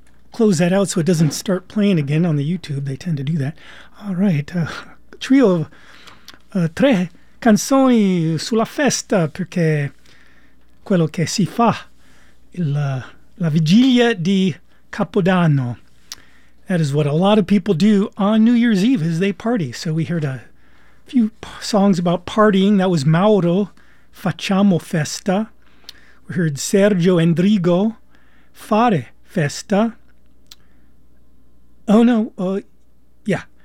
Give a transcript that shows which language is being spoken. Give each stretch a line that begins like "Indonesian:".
English: Close that out so it doesn't start playing again on the YouTube. They tend to do that. All right. Trio of
Italian: tre canzoni sulla festa, perché quello che si fa la vigilia di Capodanno.
English: That is what a lot of people do on New Year's Eve, is they party. So we heard a few songs about partying. That was Mauro, Facciamo Festa. We heard Sergio Endrigo, Fare Festa. Oh, no. Yeah.